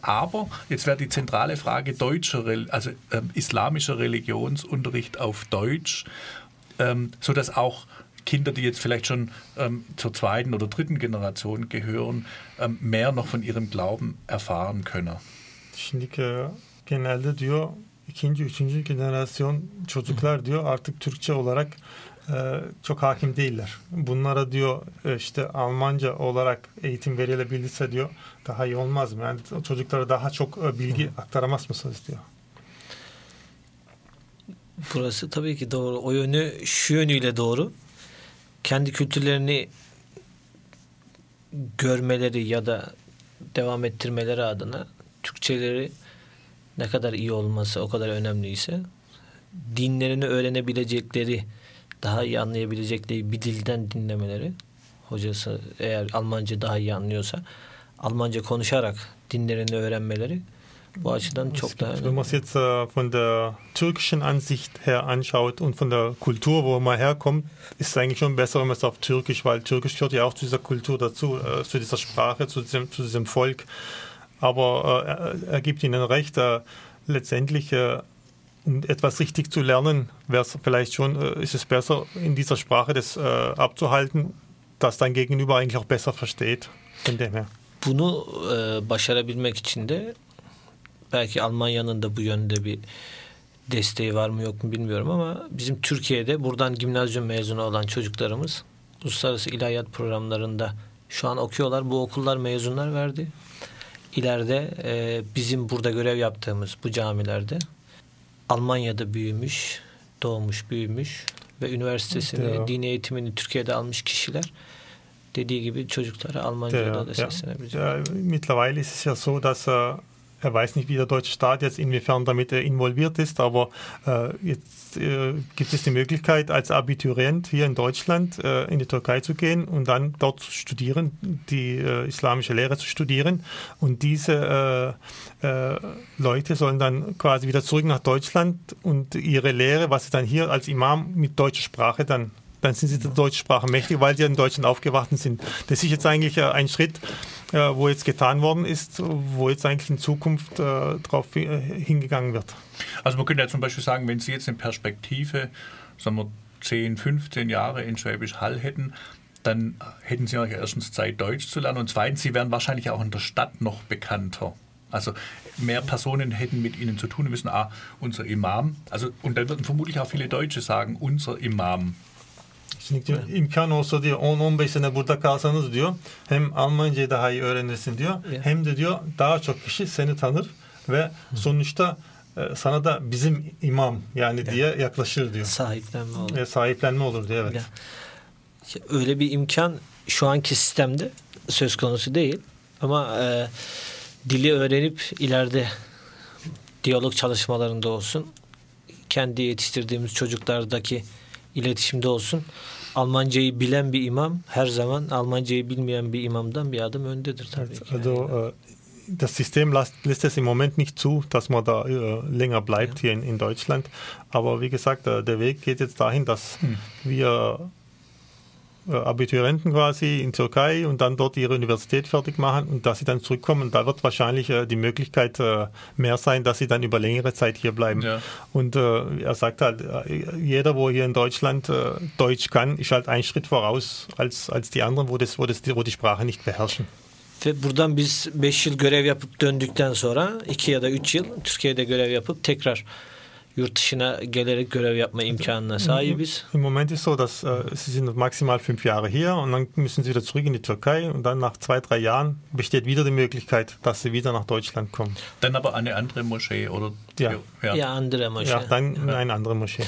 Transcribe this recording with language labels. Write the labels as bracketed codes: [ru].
[de] Aber jetzt wäre die zentrale Frage, islamischer Religionsunterricht auf Deutsch, so dass auch Kinder, die jetzt vielleicht schon zur zweiten oder dritten Generation gehören, mehr noch von ihrem Glauben erfahren können. [tr] Şimdi genelde diyor ikinci üçüncü generasyon çocuklar diyor artık Türkçe olarak çok hakim değiller. Bunlara diyor işte Almanca olarak eğitim verilebilirse diyor daha iyi olmaz mı? Yani çocuklara daha çok bilgi aktaramaz mısınız diyor. Burası tabii ki doğru. O yönü şu yönüyle doğru. Kendi kültürlerini görmeleri ya da devam ettirmeleri adına Türkçeleri ne kadar iyi olması o kadar önemliyse dinlerini öğrenebilecekleri, daha iyi anlayabilecekleri bir dilden dinlemeleri, hocası eğer Almanca daha iyi anlıyorsa Almanca konuşarak dinlerini öğrenmeleri bu açıdan es çok gibt, daha önemli. [de] Wenn man es jetzt von der türkischen Ansicht her anschaut und von der Kultur, wo man herkommt, ist es eigentlich schon besser, wenn man es auf Türkisch, weil Türkisch gehört ja auch zu dieser Kultur dazu, zu dieser Sprache, zu diesem Volk. Aber er gibt Ihnen recht, letztendlich um etwas richtig zu lernen, wäre es vielleicht schon, ist es besser, in dieser Sprache das abzuhalten, das dein Gegenüber eigentlich auch besser versteht, von dem her. [tr] Bunu başarabilmek için de belki Almanya'nın da bu yönde bir desteği var mı yok mu bilmiyorum ama bizim Türkiye'de buradan gimnazyum mezunu olan çocuklarımız uluslararası ilahiyat programlarında şu an okuyorlar. Bu okullar mezunlar verdi. İleride bizim burada görev yaptığımız bu camilerde Almanya'da büyümüş, doğmuş, büyümüş ve üniversitesini, dini eğitimini Türkiye'de almış kişiler dediği gibi çocuklara Almanca'da da seslenebilecek. [de] Mittlerweile ist es ja so, dass er weiß nicht, wie der deutsche Staat jetzt inwiefern damit involviert ist, aber jetzt gibt es die Möglichkeit, als Abiturient hier in Deutschland in die Türkei zu gehen und dann dort zu studieren, die islamische Lehre zu studieren. Und diese Leute sollen dann quasi wieder zurück nach Deutschland und ihre Lehre, was sie dann hier als Imam mit deutscher Sprache dann, dann sind sie der deutschen Sprache mächtig, weil sie in Deutschland aufgewachsen sind. Das ist jetzt eigentlich ein Schritt, wo jetzt getan worden ist, wo jetzt eigentlich in Zukunft drauf hingegangen wird. Also man könnte ja zum Beispiel sagen, wenn Sie jetzt eine Perspektive, sagen wir 10, 15 Jahre in Schwäbisch Hall hätten, dann hätten Sie auch erstens Zeit, Deutsch zu lernen und zweitens, Sie wären wahrscheinlich auch in der Stadt noch bekannter. Also mehr Personen hätten mit Ihnen zu tun, wissen, ah, unser Imam, also und dann würden vermutlich auch viele Deutsche sagen, unser Imam. [tr] Şimdi imkan olsa diyor 10-15 sene burada kalsanız diyor hem Almanca'yı daha iyi öğrenirsin diyor hem de diyor daha çok kişi seni tanır ve sonuçta sana da bizim imam yani diye yaklaşır diyor. Sahiplenme olur. Sahiplenme olur diyor evet. Ya. Öyle bir imkan şu anki sistemde söz konusu değil ama dili öğrenip ileride diyalog çalışmalarında olsun kendi yetiştirdiğimiz çocuklardaki iletişimde olsun. Almancayı bilen bir imam her zaman Almancayı bilmeyen bir imamdan bir adım öndedir tabii ki. [de] Also das System lässt es im Moment nicht zu, dass man da länger bleibt hier in Deutschland, aber wie gesagt, der Weg geht jetzt dahin, dass wir Abiturienten quasi in Türkei und dann dort ihre Universität fertig machen und dass sie dann zurückkommen, da wird wahrscheinlich die Möglichkeit mehr sein, dass sie dann über längere Zeit hier bleiben. Ja. Und er sagt halt, jeder, wo hier in Deutschland Deutsch kann, ist halt einen Schritt voraus als die anderen, wo die Sprache nicht beherrschen. [tr] Ve buradan biz 5 yıl görev yapıp döndükten sonra 2 ya da 3 yıl Türkiye'de görev yapıp tekrar yurt dışına gelerek görev yapma imkanına sahibiz. [de] Im Moment ist so, dass sie sind maximal 5 Jahre hier und dann müssen sie wieder zurück in die Türkei und dann nach 2-3 Jahren besteht wieder die Möglichkeit, dass sie wieder nach Deutschland kommen. Dann aber eine andere Moschee oder ja andere Moschee. Ja, dann eine andere Moschee.